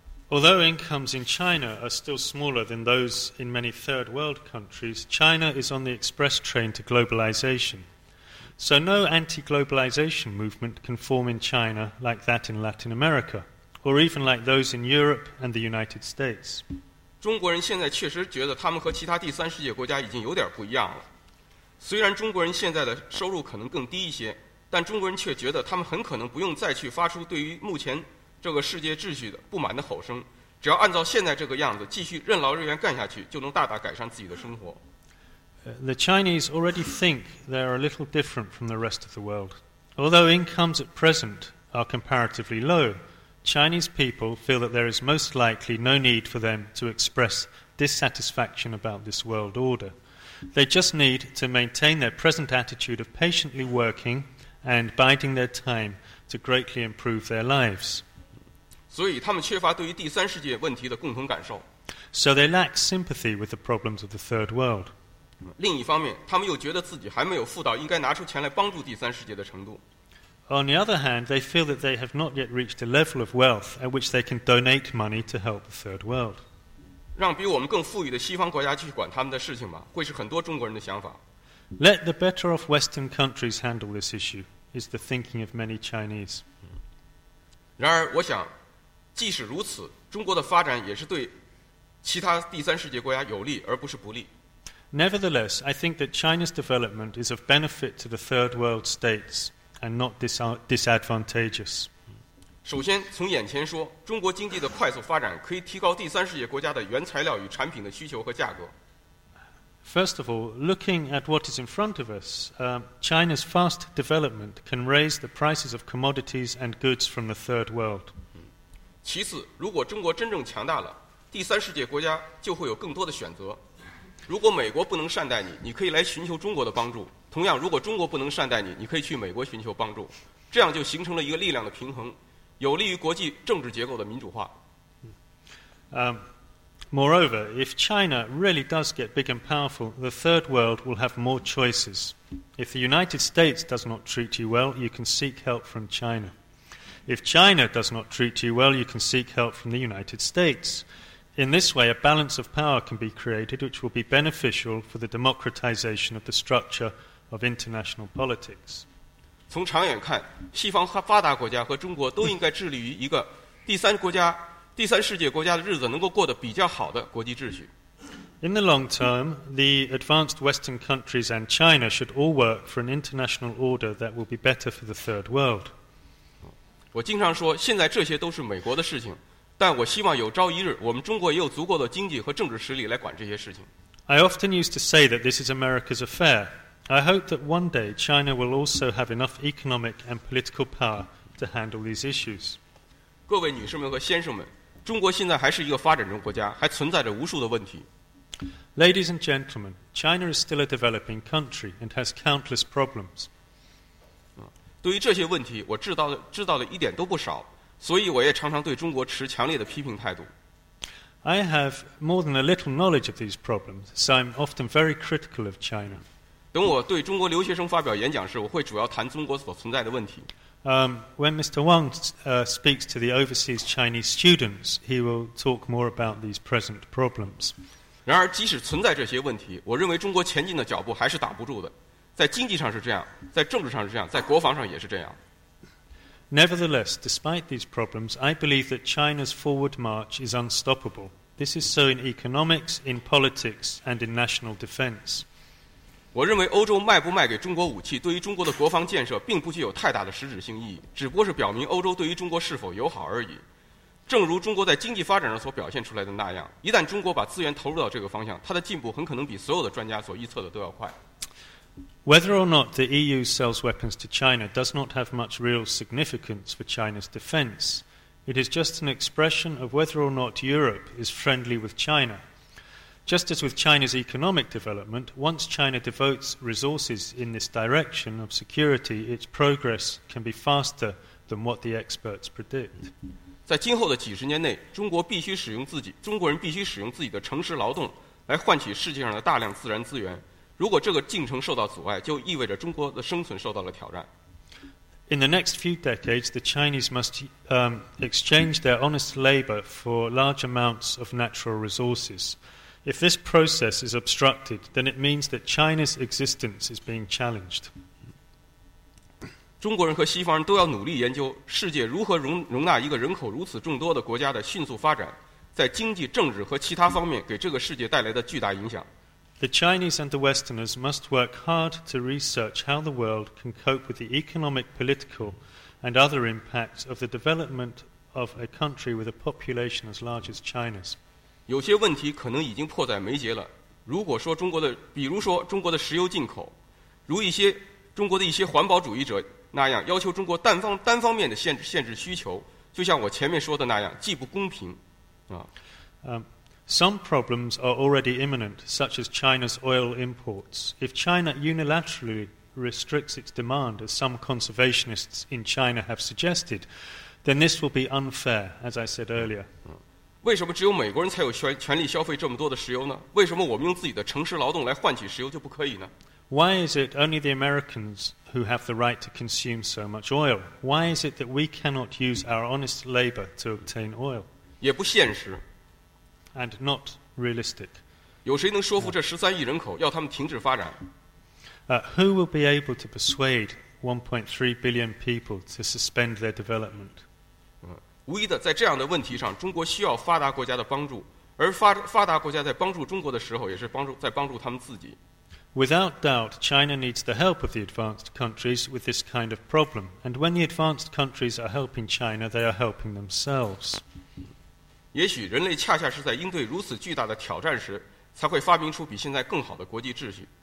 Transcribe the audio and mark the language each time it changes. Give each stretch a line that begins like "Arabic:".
English: Although incomes in China are still smaller than those in many third world countries, China is on the express train to globalization. So no anti-globalization movement can form in China like that in Latin America, or even like those in Europe and the United States.
Chinese: 中国人现在确实觉得他们和其他第三世界国家已经有点不一样了。虽然中国人现在的收入可能更低一些，但中国人却觉得他们很可能不用再去发出对于目前这个世界秩序的不满的吼声，只要按照现在这个样子继续任劳任怨干下去，就能大大改善自己的生活。
English: The Chinese already think they are a little different from the rest of the world. Although incomes at present are comparatively low, Chinese people feel that there is most likely no need for them to express dissatisfaction about this world order. They just need to maintain their present attitude of patiently working and biding their time to greatly improve their lives.
Chinese: 所以他们缺乏对于第三世界问题的共同感受。
English: So they lack sympathy with the problems of the third world.
Chinese: 另一方面，他们又觉得自己还没有富到应该拿出钱来帮助第三世界的程度。
English: On the other hand, they feel that they have not yet reached a level of wealth at which they can donate money to help the third world.
Chinese: 让比我们更富裕的西方国家去管他们的事情吧，会是很多中国人的想法。
English: Let the better off Western countries handle this issue, is the thinking of many Chinese.
Chinese: 然而，我想即使如此，中国的发展也是对其他第三世界国家有利，而不是不利。
English: Nevertheless, I think that China's development is of benefit to the third world states and not disadvantageous.
Chinese: 首先，从眼前说，中国经济的快速发展可以提高第三世界国家的原材料与产品的需求和价格。
English: First of all, looking at what is in front of us, China's fast development can raise the prices of commodities and goods from the third world.
Chinese: 其次，如果中国真正强大了，第三世界国家就会有更多的选择。如果美国不能善待你，你可以来寻求中国的帮助。同样，如果中国不能善待你，你可以去美国寻求帮助。这样就形成了一个力量的平衡，有利于国际政治结构的民主化。
English: Moreover, if China really does get big and powerful, the third world will have more choices. If the United States does not treat you well, you can seek help from China. If China does not treat you well, you can seek help from the United States. In this way, a balance of power can be created, which will be beneficial for the democratization of the structure of international politics.
Chinese: 从长远看，西方发达国家和中国都应该致力于一个第三世界国家的日子能够过得比较好的国际秩序。
English: In the long term, the advanced Western countries and China should all work for an international order that will be better for the third world.
Chinese: 我经常说，现在这些都是美国的事情，但我希望有朝一日，我们中国也有足够的经济和政治实力来管这些事情。
English: I often used to say that this is America's affair. I hope that one day China will also have enough economic and political power to handle these issues.
Chinese: 各位女士们和先生们，中国现在还是一个发展中国家，还存在着无数的问题。
English: Ladies and gentlemen, China is still a developing country and has countless problems.
Chinese: 对于这些问题，我知道的一点都不少，所以我也常常对中国持强烈的批评态度。
English: I have more than a little knowledge of these problems, so I'm often very critical of China.
Chinese: 等我对中国留学生发表演讲时，我会主要谈中国所存在的问题。
English: When Mr. Wang speaks to the overseas Chinese students, he will talk more about these present problems.
Chinese: 然而，即使存在这些问题，我认为中国前进的脚步还是打不住的。在经济上是这样，在政治上是这样，在国防上也是这样。
English: Nevertheless, despite these problems, I believe that China's forward march is unstoppable. This is so in economics, in politics, and in national defense.
Chinese: 我认为欧洲卖不卖给中国武器，对于中国的国防建设并不具有太大的实质性意义，只不过是表明欧洲对于中国是否友好而已。正如中国在经济发展上所表现出来的那样，一旦中国把资源投入到这个方向，它的进步很可能比所有的专家所预测的都要快。
English: Whether or not the EU sells weapons to China does not have much real significance for China's defense. It is just an expression of whether or not Europe is friendly with China. Just as with China's economic development, once China devotes resources in this direction of security, its progress can be faster than what the experts predict.
Chinese: 在今后的几十年内，中国人必须使用自己的诚实劳动来换取世界上的大量自然资源。如果这个进程受到阻碍，就意味着中国的生存受到了挑战。
English: In the next few decades, the Chinese must exchange their honest labor for large amounts of natural resources. If this process is obstructed, then it means that China's existence is being challenged.
Chinese: 中国人和西方人都要努力研究世界如何容纳一个人口如此众多的国家的迅速发展，在经济、政治和其他方面给这个世界带来的巨大影响。
English: The Chinese and the Westerners must work hard to research how the world can cope with the economic, political, and other impacts of the development of a country with a population as large as China's.
Chinese: 有些问题可能已经迫在眉睫了。比如说中国的石油进口，如一些中国的一些环保主义者那样，要求中国单方面的限制需求，就像我前面说的那样，既不公平，啊。
English: Some problems are already imminent, such as China's oil imports. If China unilaterally restricts its demand, as some conservationists in China have suggested, then this will be unfair, as I said earlier.
Chinese: 为什么只有美国人才有权利消费这么多的石油呢？为什么我们用自己的诚实劳动来换取石油就不可以呢？
English: Why is it only the Americans who have the right to consume so much oil? Why is it that we cannot use our honest labor to obtain oil?
Chinese: 也不现实。
English: And not realistic.
Chinese: 有谁能说服这13亿人口要他们停止发展？
English: Who will be able to persuade 1.3 billion people to suspend their development?
Chinese: 无疑的，在这样的问题上，中国需要发达国家的帮助，而发达国家在帮助中国的时候，也是在帮助他们自己。
English: Without doubt, China needs the help of the advanced countries with this kind of problem. And when the advanced countries are helping China, they are helping themselves.
Chinese: 也许人类恰恰是在应对如此巨大的挑战时，才会发明出比现在更好的国际秩序。